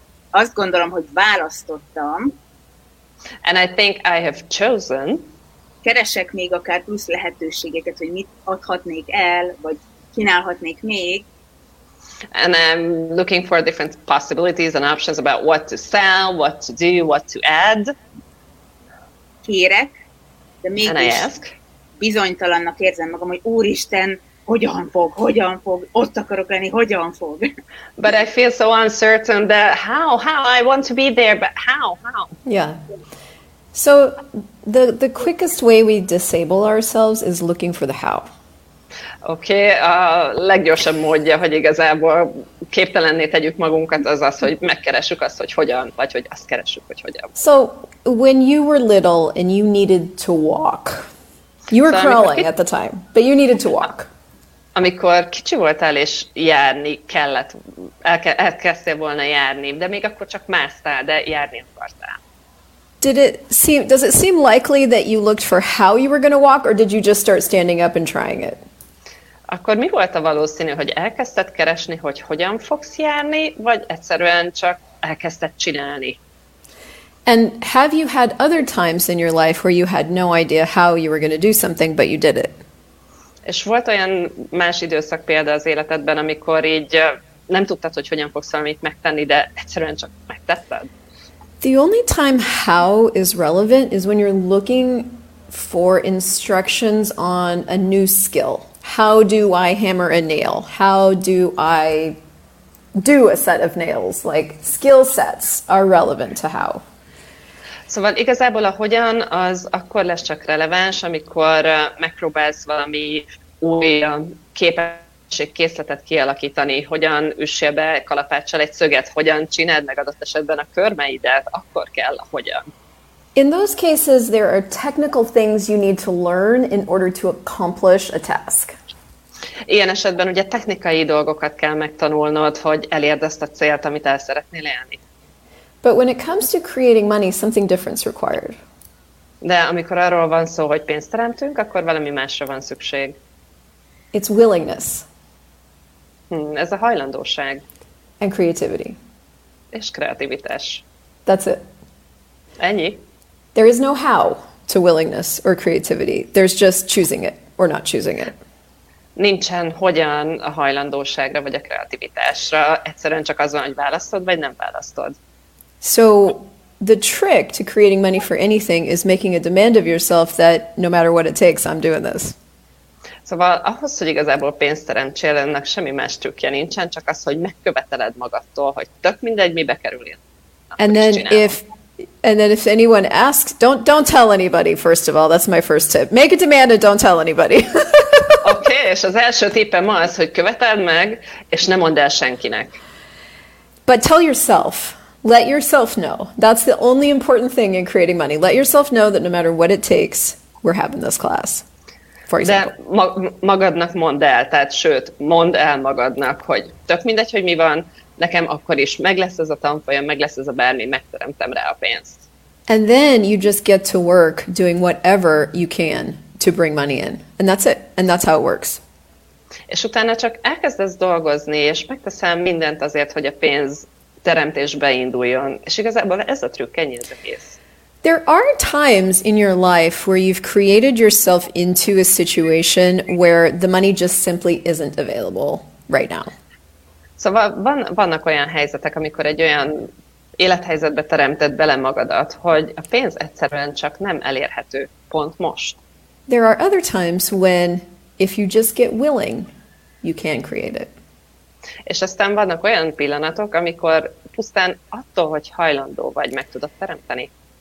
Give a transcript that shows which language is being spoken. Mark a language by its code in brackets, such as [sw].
[hu] Azt gondolom, hogy választottam. [en] And I think I have chosen. [hu] Keresek még akár plusz lehetőségeket, hogy mit adhatnék el, vagy kínálhatnék még. [en] And I'm looking for different possibilities and options about what to sell, what to do, what to add. [hu] Kérek, de mégis bizonytalannak érzem magam, hogy Úristen, hogyan fog, ott akarok lenni, hogyan fog. [en] But I feel so uncertain that how, I want to be there, but how. Yeah. So the quickest way we disable ourselves is looking for the how. [hu] Okay, a leggyorsabb módja, hogy igazából képtelenné tegyük magunkat, az, hogy megkeressük azt, hogy hogyan, vagy hogy azt keressük, hogy hogyan. [en] So, when you were little and you needed to walk, you were crawling at the time, but you needed to walk. [hu] Amikor kicsi voltál és járni kellett, elkezdtél volna járni, de még akkor csak másztál, de járni akartál. [en] Does it seem likely that you looked for how you were going to walk, or did you just start standing up and trying it? [hu] Akkor mi volt a valószínű, hogy elkezdted keresni, hogy hogyan fogsz járni, vagy egyszerűen csak elkezdted csinálni? [en] And have you had other times in your life where you had no idea how you were going to do something, but you did it? [hu] És volt olyan más időszak példa az életedben, amikor így nem tudtad, hogy hogyan fogsz valamit megtenni, de egyszerűen csak megtetted? [en] The only time how is relevant is when you're looking for instructions on a new skill. How do I hammer a nail? How do I do a set of nails? Like, skill sets are relevant to how. [hu] Szóval igazából a hogyan az akkor lesz csak releváns, amikor megpróbálsz valami új képességkészletet kialakítani, hogyan üssél be kalapáccsal egy szöget, hogyan csináld meg adott esetben a körmeidet, akkor kell a hogyan. [en] In those cases, there are technical things you need to learn in order to accomplish a task. [hu] Ilyen esetben ugye technikai dolgokat kell megtanulnod, hogy elérd ezt a célt, amit el szeretnél élni. [en] But when it comes to creating money, something different is required. [hu] De amikor arról van szó, hogy pénzt teremtünk, akkor valami másra van szükség. [en] It's willingness. [hu] Ez a hajlandóság. [en] And creativity. [hu] És kreativitás. [en] That's it. [hu] Ennyi. [en] There is no how to willingness or creativity. There's just choosing it or not choosing it. [hu] Nincsen hogyan a hajlandóságra vagy a kreativitásra. Egyszerűen csak az van, hogy választod vagy nem választod. [en] So the trick to creating money for anything is making a demand of yourself that no matter what it takes, I'm doing this. [hu] Szóval ahhoz, hogy igazából pénzt teremtsél, ennek semmi más trükkje nincsen, csak az, hogy megköveteled magadtól, hogy tök mindegy, mibe kerüljön. [en] And then if anyone asks, don't tell anybody, first of all. That's my first tip. Make a demand and don't tell anybody. [hu] Okay, és az első tippem az, hogy követeld meg, és ne mondd el senkinek. [en] But tell yourself. Let yourself know. That's the only important thing in creating money. Let yourself know that no matter what it takes, we're having this class. For example. [hu] De magadnak mondd el, tehát sőt, mondd el magadnak, hogy tök mindegy, hogy mi van, nekem akkor is meg lesz ez a tanfolyam, meg lesz ez a bármi, megteremtem rá a pénzt. [en] And then you just get to work doing whatever you can to bring money in. And that's it. And that's how it works. [hu] És utána csak elkezdesz dolgozni, és megteszem mindent azért, hogy a pénz teremtésbe induljon. És igazából ez a trükk, ennyi az egész. [en] There are times in your life where you've created yourself into a situation where the money just simply isn't available right now. [hu] Szóval vannak olyan helyzetek, amikor egy olyan élethelyzetbe teremted bele magadat, hogy a pénz egyszerűen csak nem elérhető pont most. [en] There are other times when, if you just get willing, you can create it. [hu] És aztán vannak olyan pillanatok, amikor pusztán attól, hogy hajlandó vagy, meg tudod teremteni.